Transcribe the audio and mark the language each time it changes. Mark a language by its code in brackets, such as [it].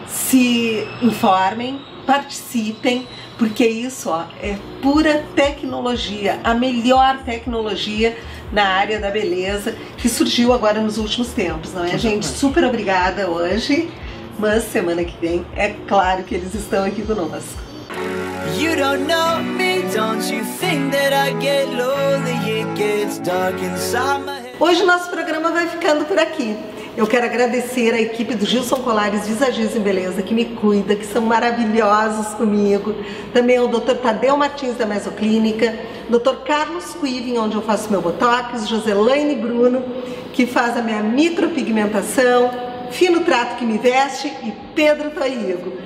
[pt] Se informem, participem, porque isso ó, é pura tecnologia, a melhor tecnologia na área da beleza, que surgiu agora nos últimos tempos, não é, gente? Super obrigada hoje, mas semana que vem é claro que eles estão aqui conosco. [en] You don't know me, don't you think that I get lonely? It gets dark inside my head. [pt] Hoje o nosso programa vai ficando por aqui. Eu quero agradecer a equipe do Gilson Colares Visagismo e Beleza, que me cuida, que são maravilhosos comigo. Também o Dr. Tadeu Martins da Mesoclínica, Dr. Carlos Quiving, onde eu faço meu Botox, Joselaine Bruno, que faz a minha micropigmentação, Fino Trato, que me veste, e Pedro Taigo.